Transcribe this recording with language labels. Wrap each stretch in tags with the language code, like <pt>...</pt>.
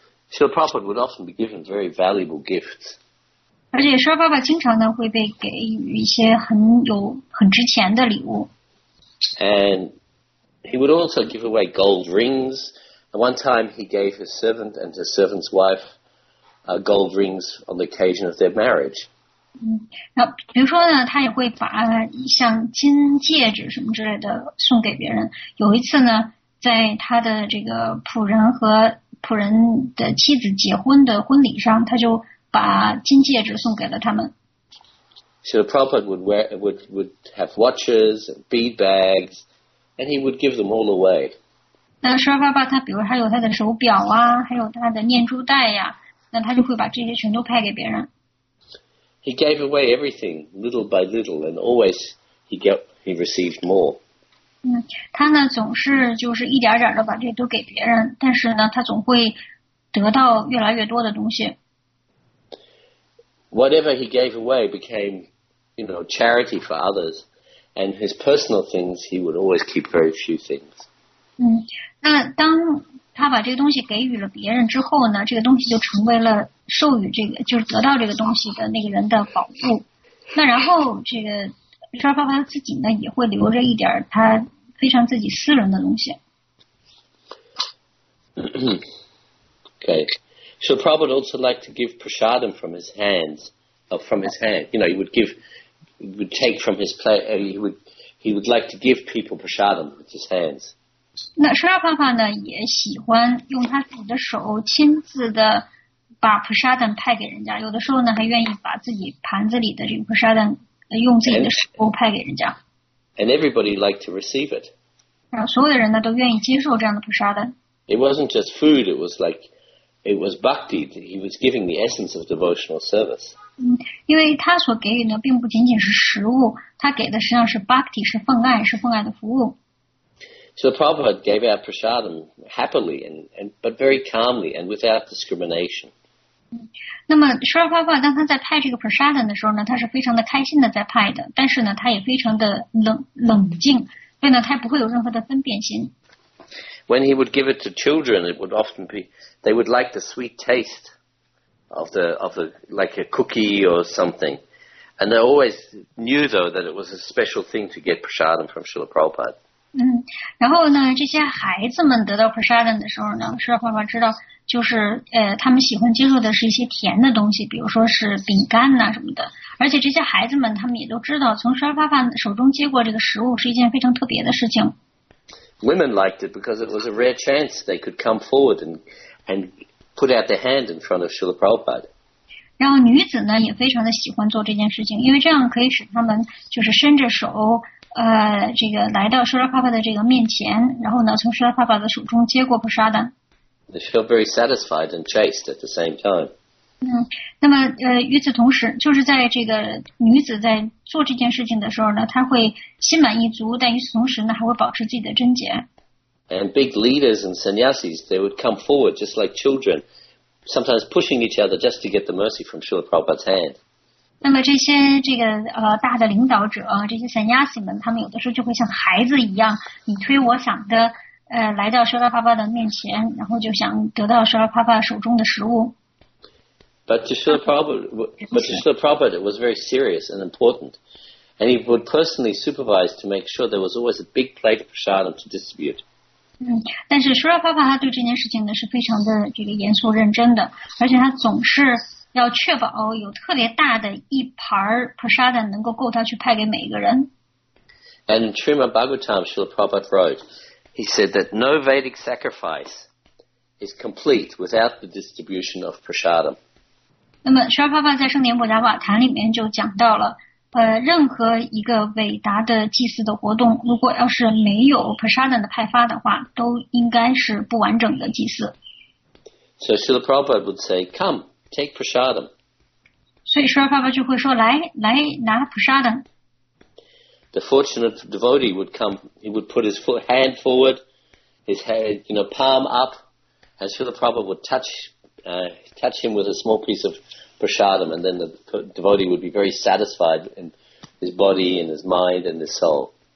<en>So the Prophet would often be given very valuable gifts</en> <zh>而且沙巴巴经常呢会被给予一些很值钱的礼物</zh> <en>And he would also give away gold rings And one time he gave his servant and his servant's wifeGold rings on the occasion of their marriage.</en> <zh>那比如说呢，他也会把像金戒指什么之类的送给别人。有一次呢，在他的这个仆人和仆人的妻子结婚的婚礼上，他就把金戒指送给了他们。</zh> <en>So the prophet would have watches, bead bags, and he would give them all away.</en> <zh>那沙巴巴他比如他有他的手表啊，还有他的念珠带呀。那他就会把这些全都派给别人。</zh> <en>He gave away everything little by little, and always he received more.</en> <zh>他呢总是就是一点点的把这都给别人，但是呢他总会得到越来越多的东西。</zh> <en>Whatever he gave away became, you know, charity for others, and his personal things he would always keep very few things.</en> <zh>那当他把这个东西给予了别人之后呢，这个东西就成为了授予这个就是得到这个东西的那个人的宝物。那然后这个沙巴巴自己呢也会留着一点他非常自己私人的东西。</zh> <en>Okay, so Prabhupada also liked to give prasadam from his hands, from his hand. You know, he would take from his plate. He would like to give people prasadam with his hands.</en> <zh>那沙拉帕帕呢也喜欢用他自己的手亲自的把普沙丹派给人家有的时候呢还愿意把自己盘子里的这个普沙丹用自己的手派给人家</zh> <en>And everybody liked to receive it</en> <zh>然后所有的人呢都愿意接受这样的普沙丹</zh> <en>It wasn't just food, it was like it was bhakti, he was giving the essence of devotional service</en> <zh>因为他所给予的并不仅仅是食物他给的实际上是 bhakti, 是奉爱是奉爱的服务</zh> <en>So Prabhupada gave out prasadam happily, but very calmly and without discrimination.</en> <zh>那么舒尔帕帕当他在派这个 prasadam 的时候呢，他是非常的开心的在派的，但是呢，他也非常的冷静，所以呢，他不会有任何的分辨心。</zh> <en>When he would give it to children, it would often be they would like the sweet taste of the like a cookie or something, and they always knew though that it was a special thing to get prasadam from Srila Prabhupada.</en> <zh>然后呢，这些孩子们得到 prasadam 的时候呢，Srila Prabhupada知道就是他们喜欢接受的是一些甜的东西，比如说是饼干呐什么的。而且这些孩子们他们也都知道，从Srila Prabhupada手中接过这个食物是一件非常特别的事情。</zh> <en>Women liked it because it was a rare chance they could come forward and put out their hand in front of Srila Prabhupada.</en> <zh>然后女子呢也非常的喜欢做这件事情，因为这样可以使他们就是伸着手这个来到Srila Prabhupada的这个面前，然后呢从Srila Prabhupada的手中接过prasadam。</zh> <en>They feel very satisfied and chaste at the same time.</en> <zh>那么与此同时，就是在这个女子在做这件事情的时候呢，她会心满意足，但与此同时呢，还会保持自己的贞洁。</zh> <en>And big leaders and sannyasis, they would come forward just like children, sometimes pushing each other just to get the mercy from Srila Prabhupada's hand.</en> <zh>那么这些大的领导者，这些 sannyasi 们，他们有的时候就会像孩子一样，你推我搡的。来到舍拉帕帕的面前，然后就想得到舍拉帕帕手中的食物。</zh> <en>But to Srila Prabhupada, it was very serious and important, and he would personally supervise to make sure there was always a big plate of prasadam to distribute.</en> <zh>但是舍拉帕帕他对这件事情呢是非常的这个严肃认真的，而且他总是要确保有特别大的一盘 prasadam 能够够他去派给每一个人。</zh> <en>And in Srimad Bhagavatam, Srila Prabhupada wrote. He said that no Vedic sacrifice is complete without the distribution of prasadam.</en> <zh>那么舍拉帕帕在圣典普达瓦坛里面就讲到了，任何一个伟大的祭祀的活动，如果要是没有 prasadam 的派发的话，都应该是不完整的祭祀。</zh> <en>So Srila Prabhupada would say, "Come, take prasadam."</en> <zh>所以舍拉帕帕就会说，来，来拿 prasadam。</zh> <en>The fortunate devotee would come, he would put his hand forward, his head, you know, palm up, and Srila Prabhupada would touch him with a small piece of prasadam, and then the devotee would be very satisfied in his body and his mind and his soul.</en>